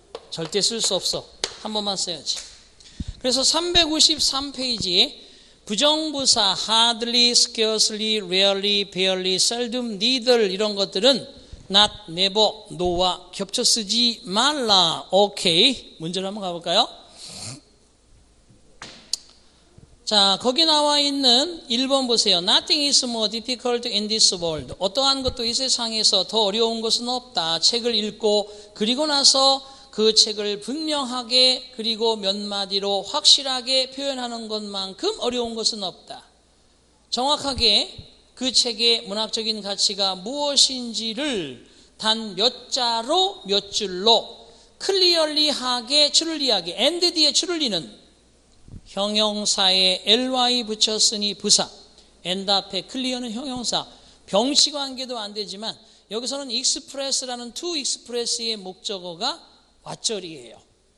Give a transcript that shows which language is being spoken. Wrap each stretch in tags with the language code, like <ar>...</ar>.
<ko>절대 쓸 수 없어 한 번만 써야지 그래서 353페이지에 부정부사 hardly, scarcely, rarely, barely, seldom, neither 이런 것들은 not, never, no와 겹쳐 쓰지 말라. Okay. 문제를 한번 가볼까요? 자, 거기 나와 있는 1번 보세요.</ko> <en>Nothing is more difficult in this world.</en> <ko>어떠한 것도 이 세상에서 더 어려운 것은 없다. 책을 읽고 그리고 나서 그 책을 분명하게 그리고 몇 마디로 확실하게 표현하는 것만큼 어려운 것은 없다. 정확하게 그 책의 문학적인 가치가 무엇인지를 단 몇 자로 몇 줄로 클리얼리하게 추리하게 end 뒤에 추리는 형용사에 ly 붙였으니 부사 end 앞에 클리어는 형용사 병치관계도 안 되지만 여기서는 express라는 to express의 목적어가 왓절이에요.</ko>